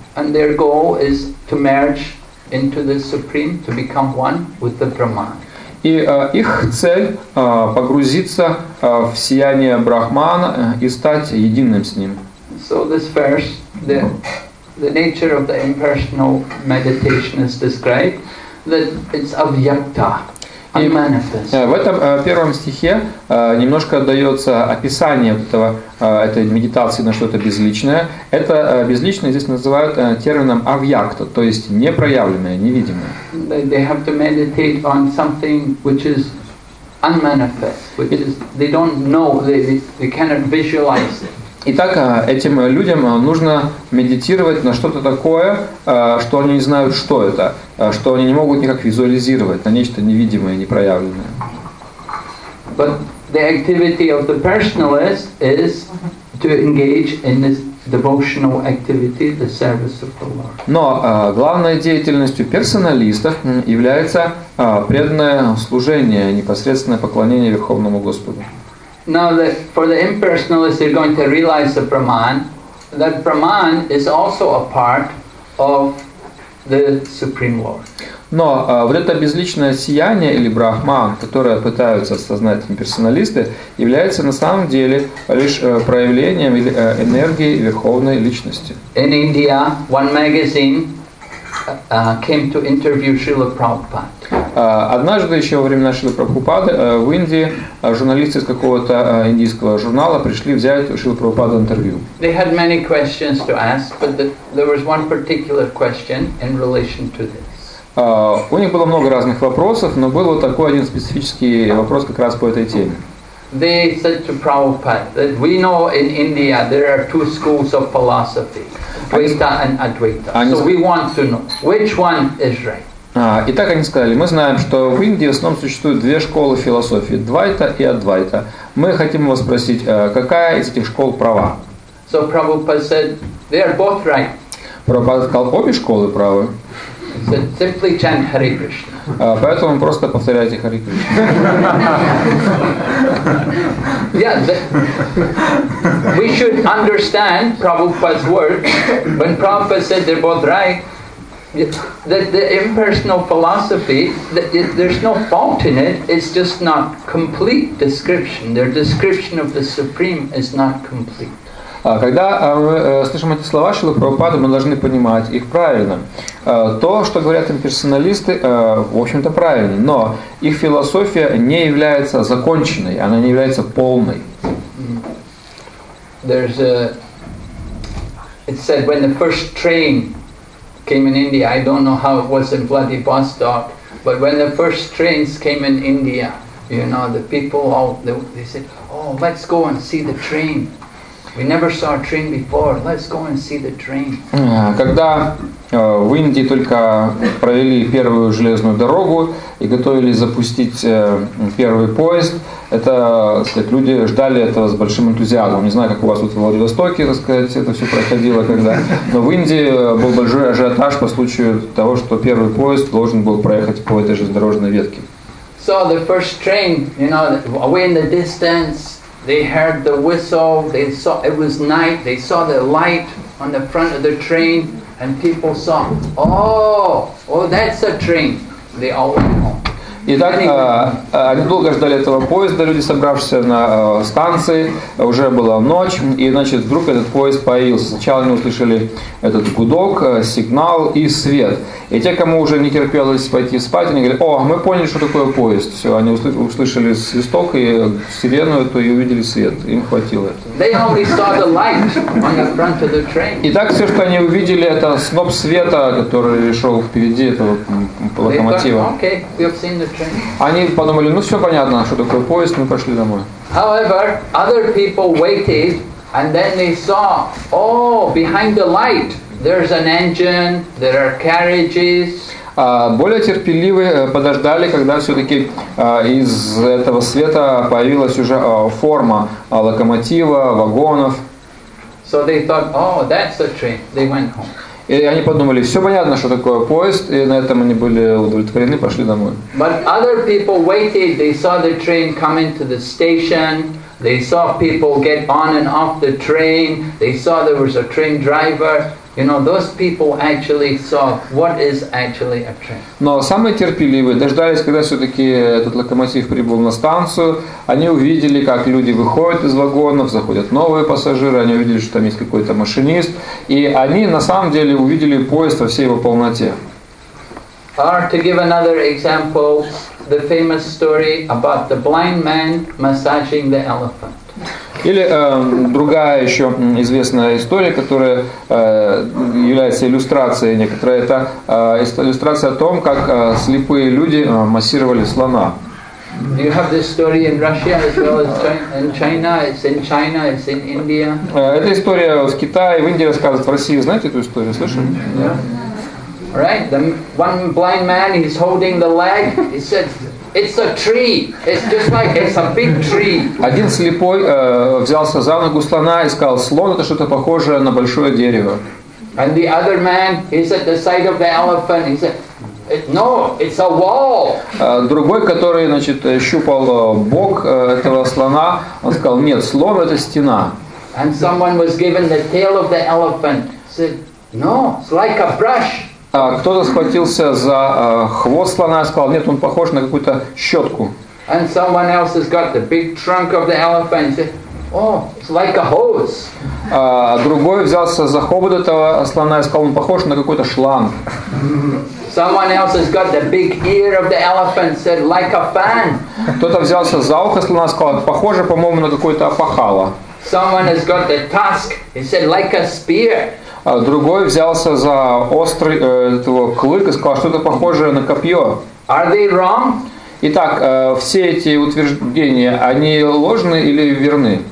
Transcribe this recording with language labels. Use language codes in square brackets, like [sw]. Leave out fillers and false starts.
[en] And their goal is to merge into the supreme, to become one with the Brahman. [ru] И их цель погрузиться в сияние Брахмана и стать единым с ним. [en] So this verse, the nature of the impersonal meditation is described that it's avyakta. [ru] И в этом первом стихе немножко дается описание вот этой медитации на что-то безличное. Это безличное здесь называют термином авьякта, то есть непроявленное, невидимое. [en] They have to meditate on something which is unmanifest, which is they don't know, they cannot visualize it. [ru] Итак, этим людям нужно медитировать на что-то такое, что они не знают, что это, что они не могут никак визуализировать, на нечто невидимое, непроявленное. [en] But the activity of the personalist is to engage in this devotional activity, the service of the Lord. [ru] Но главной деятельностью персоналистов является преданное служение, непосредственное поклонение Верховному Господу. [en] Now, for the impersonalists, they're going to realize the Brahman. That Brahman is also a part of the Supreme Lord. [ru] Но вот это безличное сияние или Брахман, которое пытаются осознать имперсоналисты, является на самом деле лишь проявлением энергии Верховной Личности. [en] In India, one magazine came to interview Srila Prabhupada. [ru] Однажды, еще во время нашего Прабхупады, в Индии журналисты из какого-то индийского журнала пришли взять у Шрилы Прабхупады интервью. [en] They had many questions to ask, but there was one particular question in relation to this. [ru] У них было много разных вопросов, но был вот такой один специфический вопрос как раз по этой теме. [en] They said to Prabhupada that we know in India there are two schools of philosophy, Dvaita and Advaita. So we want to know which one is right. [ru] Итак, они сказали, мы знаем, что в Индии в основном существуют две школы философии, Двайта и Адвайта. Мы хотим вас спросить, какая из этих школ права? [en] So Prabhupada said they are both right. [ru] Прабхупада сказал, обе школы правы. [en] So simply chant Hare Krishna. [ru] Поэтому просто повторяйте Hare Krishna. [en] We should understand Prabhupada's words when Prabhupada said they're both right. The impersonal philosophy, there's no fault in it. It's just not complete description. Their description of the Supreme is not complete. [ru] Когда мы слышим эти слова Шрилы Прабхупады, мы должны понимать их правильно. То, что говорят имперсоналисты, в общем-то правильно, но их философия не является законченной, она не является полной. [en] There's a, it said when the first train came in India, I don't know how it was in Vladivostok, but when the first trains came in India, you know, the people all they said, oh, let's go and see the train. We never saw a train before. Let's go and see the train. [ru] Когда в Индии только провели первую железную дорогу и готовились запустить первый поезд, это, сказать, люди ждали этого с большим энтузиазмом. Не знаю, как у вас вот в Владивостоке, так сказать, это все проходило, когда. Но в Индии был большой ажиотаж по случаю того, что первый поезд должен был проехать по этой железнодорожной ветке. [en] So the first train, you know, away in the distance. They heard the whistle, they saw it was night, they saw the light on the front of the train, and people saw, oh, that's a train. They all went home. [ru] Итак, они долго ждали этого поезда, люди, собравшиеся на станции, уже была ночь, и, значит, вдруг этот поезд появился. Сначала они услышали этот гудок, сигнал и свет. И те, кому уже не терпелось пойти спать, они говорили, о, мы поняли, что такое поезд. Все, они услышали свисток и сирену эту, и увидели свет. Им хватило этого. Итак, все, что они увидели, это сноп света, который шел впереди этого локомотива. Они подумали, ну все понятно, что такое поезд, мы пошли домой. [en] However, other people waited, and then they saw, oh, behind the light, there's an engine, there are carriages. [ru] Более терпеливые подождали, когда все-таки из этого света появилась уже форма локомотива, вагонов. [en] So they thought, oh, that's the train. They went home. [ru] И они подумали, все понятно, что такое поезд, и на этом они были удовлетворены, пошли домой. [en] But other people waited, they saw the train come into the station, they saw people get on and off the train, they saw there was a train driver. You know, those people actually saw what is actually a train. [ru] Но самые терпеливые дождались, когда все-таки этот локомотив прибыл на станцию. Они увидели, как люди выходят из вагонов, заходят новые пассажиры, они увидели, что там есть какой-то машинист. И они на самом деле увидели поезд во всей его полноте. [en] Or to give another example, the famous story about the blind man massaging the elephant. [ru] Или другая еще известная история, которая является иллюстрацией некоторой, это иллюстрация о том, как слепые люди массировали слона. [en] You have this story in Russia as well as in China. It's in China, it's in India. [ru] Эта история в Китае, в Индии рассказывают, в России. Знаете эту историю, слышали? [en] Yeah. Right, the one blind man, he's holding the leg, he said, it's a tree. It's just like it's a big tree. [ru] Один слепой взялся за ногу слона и сказал, слон это что-то похожее на большое дерево. [en] And the other man, he's at the side of the elephant. He said, no, it's a wall. [ru] Другой, который, значит, щупал бок этого слона, он сказал, нет, слон это стена. [en] And someone was given the tail of the elephant. He said, no, it's like a brush. [ru] Кто-то схватился за хвост слона и сказал, нет, он похож на какую-то щетку. [en] And someone else has got the big trunk of the elephant. Oh, it's like a hose. [ru] другой взялся за хобот этого слона и сказал, он похож на какой-то шланг. [en] Someone else has got the big ear of the elephant, said, like a fan. [ru] Кто-то взялся за ухо слона и сказал, похоже, по-моему, на какое-то опахало. [en] Someone has got the tusk, he said, like a spear. [ru] Другой взялся за острый этого клык и сказал, что-то похожее на копье. [en] Are they wrong? [ru] Итак, все эти утверждения, они ложны или верны?